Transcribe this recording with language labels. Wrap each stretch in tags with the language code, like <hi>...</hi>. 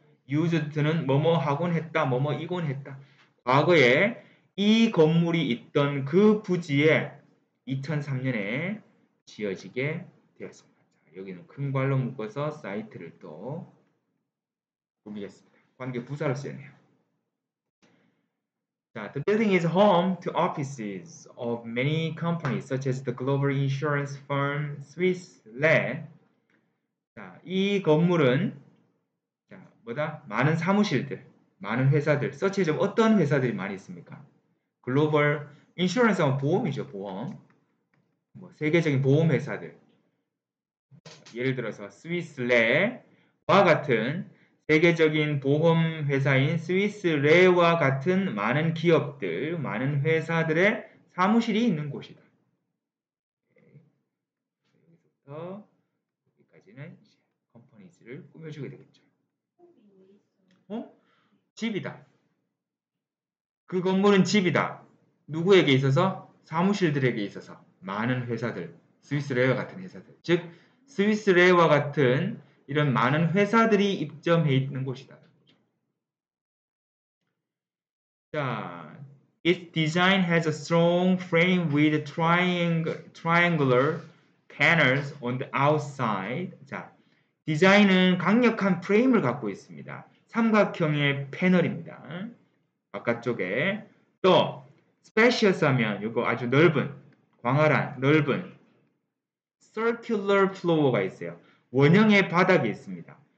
<ko>used는 뭐뭐 하곤 했다, 뭐뭐 이곤 했다. 과거에 이 건물이 있던 그 부지에 2003년에 지어지게 되었습니다. 자, 여기는 큰 괄로 묶어서 사이트를 또 보겠습니다. 관계 부사로 쓰였네요.</ko> <en>자, the building is home to offices of many companies such as the global insurance firm Swiss Re.</en> <ko>자, 이 건물은 자, 뭐다? 많은 사무실들, 많은 회사들,</ko> <en>such as</en> <ko>어떤 회사들이 많이 있습니까? 글로벌 인슈런스는 보험이죠, 보험. 뭐 세계적인 보험 회사들. 예를 들어서 Swiss Re와 같은 세계적인 보험 회사인 스위스 레와 같은 많은 기업들, 많은 회사들의 사무실이 있는 곳이다. 여기서부터 여기까지는 이제 컴퍼니즈를 꾸며주게 되겠죠. 어? 집이다. 그 건물은 집이다. 누구에게 있어서? 사무실들에게 있어서. 많은 회사들, 스위스 레와 같은 회사들. 즉, 스위스 레와 같은 이런 많은 회사들이 입점해 있는 곳이다.</ko> <en>자, its design has a strong frame with triangular panels on the outside.</en> <ko>자, 디자인은 강력한 프레임을 갖고 있습니다. 삼각형의 패널입니다. 바깥쪽에 또 spacious 하면 이거 아주 넓은, 광활한, 넓은</ko> <en>circular floor</en> <ko>가 있어요. 원형의 바닥이 있습니다.</ko>